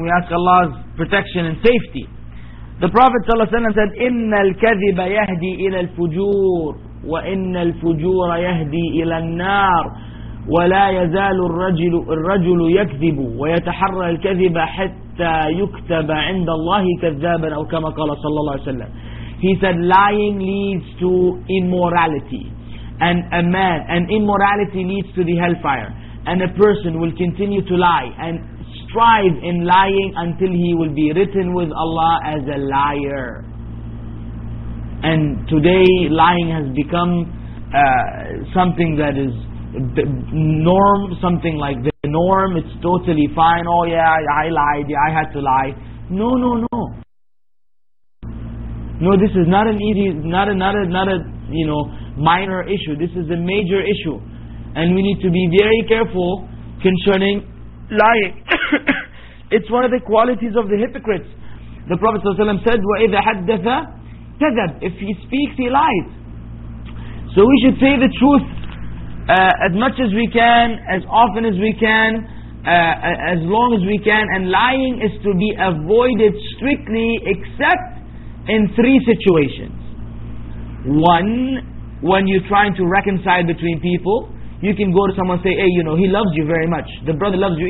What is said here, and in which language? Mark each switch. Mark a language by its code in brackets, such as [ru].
[en] We ask Allah's protection and safety. The Prophet ﷺ said, [ar] إِنَّ الْكَذِبَ يَهْدِي إِلَى الْفُجُورِ وَإِنَّ الْفُجُورَ يَهْدِي إِلَى النَّارِ وَلَا يَزَالُ الرَّجُلُ يَكْذِبُ وَيَتَحَرَّى الْكَذِبَ حَتَّى يُكْتَبَ عِنْدَ اللَّهِ كَذَّابًا أَوْ كَمَا قَالَ صَلَّى اللَّهُ عَلَيْهِ وَسَلَّمَ. [en] He said, lying leads to immorality. And a man, and immorality leads to the hellfire. And a person will continue to lie and strive in lying until he will be written with Allah as a liar. And today, lying has become something that is norm, something like the norm, it's totally fine. Oh yeah, I lied, yeah, I had to lie. No, no, no. No, this is not an easy, not a you know, minor issue. This is a major issue. And we need to be very careful concerning lying. It's one of the qualities of the hypocrites. The Prophet ﷺ said, [ar] وَإِذَا حَدَّثَ كَذَبْ. [en] If he speaks, he lies. So we should say the truth as much as we can, as often as we can, as long as we can. And lying is to be avoided strictly except in three situations. One, when you're trying to reconcile between people, you can go to someone and say, hey, you know, he loves you very much. The brother loves you.